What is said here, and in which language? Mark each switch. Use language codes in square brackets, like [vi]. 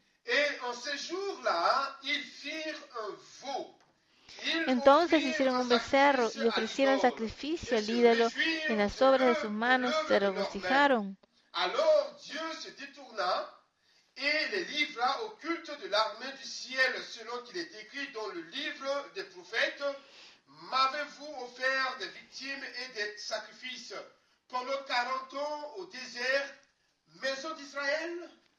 [fr] Et en ce jour-là, ils firent un veau. [es] Entonces hicieron un becerro y ofrecieron sacrificio al ídolo en las obras de sus manos y se regocijaron. [fr] Alors Dieu se détourna et les livra au culte de l'armée du ciel selon qu'il est écrit dans le livre des prophètes. M'avez-vous offert des victimes et des sacrifices pendant 40 ans au désert, maison d'Israël?